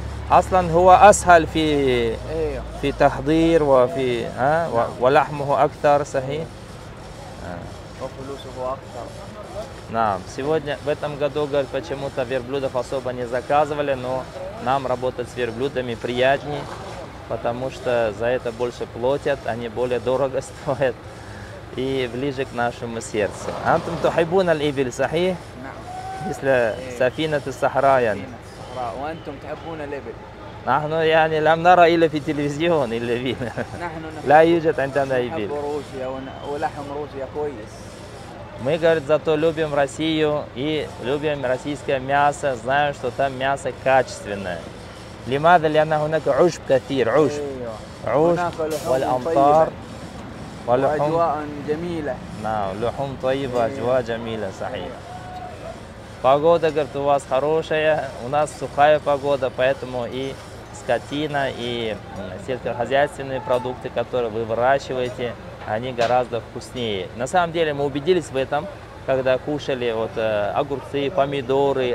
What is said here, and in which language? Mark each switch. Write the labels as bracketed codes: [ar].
[ar] اصلا هو اسهل في في تحضير وفي ها ولحمه اكثر صحيح وفلوسه اكثر. نعم [ru] сегодня в этом году, говорит, почему-то верблюдов особо не заказывали, но нам работать с верблюдами приятнее, потому что за это больше платят, они более дорого стоят и ближе к нашему сердцу. [ar] انتم تحبون الابل صحيح. مثل سفينة الصحراء يعني. وأنتم تحبون الإبل. نحن يعني لم نرى إلا في التلفزيون إلا فينا. نحن لا يوجد عندنا إبل. روسيا ولحم روسيا كويس. [ru] Мы, говорит, зато любим Россию и любим российское мясо, знаем, что там мясо качественное. [ar] لماذا لأن هناك عشب كثير عشب. عشب والأمطار. وأجواء جميلة. نعم لحوم طيبة أجواء جميلة صحيح. [ru] Погода, говорит, у вас хорошая, у нас сухая погода, поэтому и скотина, и сельскохозяйственные продукты, которые вы выращиваете, они гораздо вкуснее. На самом деле мы убедились в этом, когда кушали вот огурцы, помидоры.